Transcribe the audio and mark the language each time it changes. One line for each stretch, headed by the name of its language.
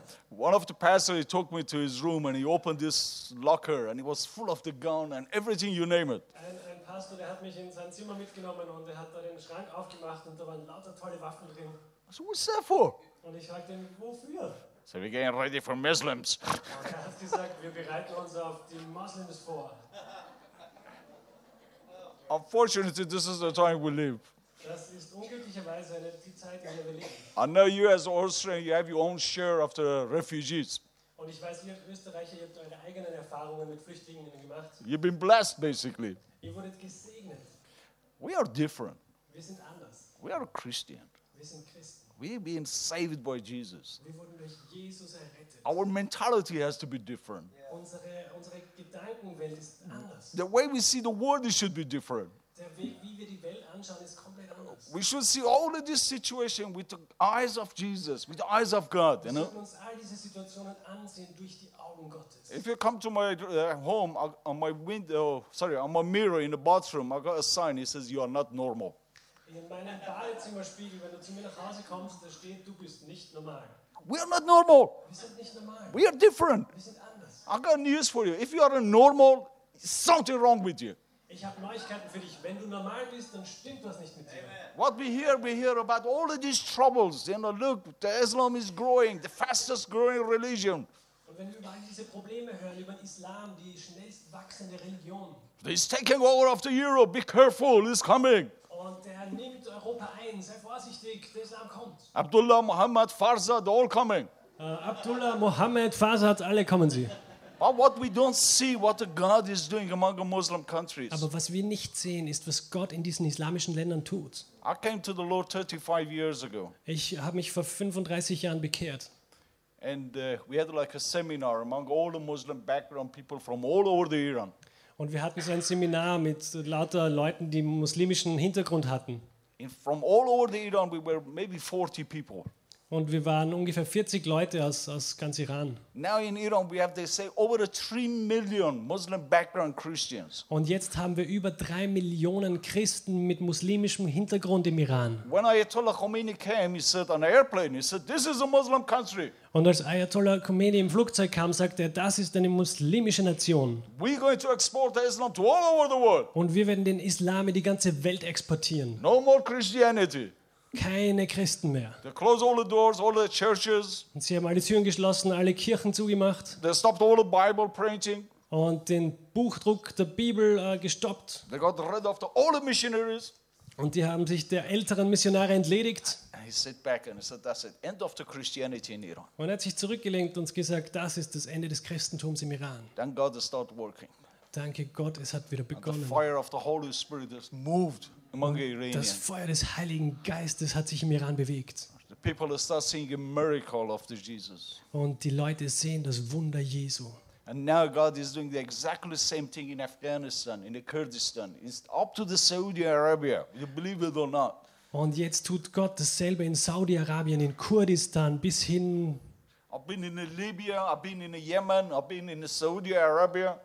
English: One of the pastors, he took me to his room and he opened this locker and it was full of the gun and everything you name it.
German: Ein Pastor, der hat mich in sein Zimmer mitgenommen und hat da den Schrank aufgemacht und da waren lauter tolle Waffen drin.
English: So what's that for?
German: Und ich fragte ihn, wofür?
English: So we're getting ready for Muslims.
German: Er hat gesagt, wir bereiten uns auf die Muslims vor.
English: Unfortunately, this is the time we live.
German: Das ist unglücklicherweise eine, die Zeit, in der wir leben.
English: I know you as Austrian, you have your own share of the refugees.
German: Und ich weiß, ihr Österreicher, ihr habt eure eigenen Erfahrungen mit Flüchtlingen gemacht.
English: You've been blessed, basically.
German: Ihr wurdet gesegnet.
English: We are different.
German: Wir sind anders.
English: We are Christian.
German: Wir sind Christen.
English: We've been saved by Jesus.
German: Wir wurden durch Jesus errettet.
English: Our mentality has to be different.
German: Yeah. Unsere Gedankenwelt ist anders.
English: The way we see the world, it should be different.
German: Der Weg, wie wir die Welt anschauen, ist komplett anders.
English: We should see all of this situation with the eyes of Jesus, with the eyes of God.
German: Wir sollten uns all diese Situationen ansehen durch die Augen Gottes.
English: If you come to my home, on my window, on my mirror in the bathroom, I got a sign. It says, "You are not normal."
German: In meinem Badezimmerspiegel, wenn du zu mir nach Hause kommst, da steht, du bist nicht normal.
English: We are not normal.
German: Wir sind nicht normal.
English: We are different.
German: Wir sind anders.
English: I got news for you. If you are normal, something wrong with you.
German: Ich habe Neuigkeiten für dich. Wenn du normal bist, dann stimmt was nicht mit dir.
English: What we hear about all of these troubles. You know, look, the Islam is growing, the fastest growing religion.
German: Und wenn wir über all diese Probleme hören, über Islam, die schnellst wachsende Religion.
English: It's taking over after Europe. Be careful, it's coming.
German: Und der nimmt Europa ein. Sei vorsichtig, der Islam kommt.
English: Abdullah Muhammad Farzad, all coming.
German: Abdullah Muhammad Farzad, alle kommen Sie.
English: But what we don't see, what God is doing among the Muslim countries.
German: Aber was wir nicht sehen, ist, was Gott in diesen islamischen Ländern tut.
English: I came to the Lord 35 years ago.
German: Ich habe mich vor 35 Jahren bekehrt.
English: And we had like a seminar among all the Muslim background people from all over the Iran.
German: Und wir hatten so ein Seminar mit lauter Leuten, die muslimischen Hintergrund hatten.
English: And from all over the Iran, we were maybe 40 people.
German: Und wir waren ungefähr 40 Leute aus ganz Iran.
English: Now in Iran we have, they say, over 3 million Muslim background Christians.
German: Und jetzt haben wir über 3 Millionen Christen mit muslimischem Hintergrund im Iran.
English: When Ayatollah Khomeini came, he said on an airplane, he said, "This is a Muslim country."
German: Und als Ayatollah Khomeini im Flugzeug kam, sagte er, das ist eine muslimische Nation.
English: We're going to export the Islam to all over the world.
German: Und wir werden den Islam in die ganze Welt exportieren.
English: No more Christianity.
German: Keine Christen mehr.
English: They close all the doors, all the churches.
German: Und sie haben alle Türen geschlossen, alle Kirchen zugemacht.
English: They stopped all the Bible printing.
German: Und den Buchdruck der Bibel gestoppt.
English: They got rid of all the missionaries.
German: Und die haben sich der älteren Missionare entledigt.
English: He sat back and said, "That's it. End of the Christianity in Iran."
German: Und hat sich zurückgelehnt und gesagt, das ist das Ende des Christentums im Iran.
English: Then God started working.
German: Danke Gott, es hat wieder begonnen.
English: And the fire of the Holy Spirit has moved.
German: Das Feuer des Heiligen Geistes hat sich im Iran bewegt.
English: The people start seeing a miracle of Jesus.
German: Und die Leute sehen das Wunder Jesu.
English: And now God is doing the exactly same thing in Afghanistan, in the Kurdistan. It's up to the Saudi Arabia. You believe it or not?
German: Und jetzt tut Gott dasselbe in Saudi-Arabien, in Kurdistan, bis hin.
English: I've been in Libya, I've been in Yemen, I've been in Saudi Arabia.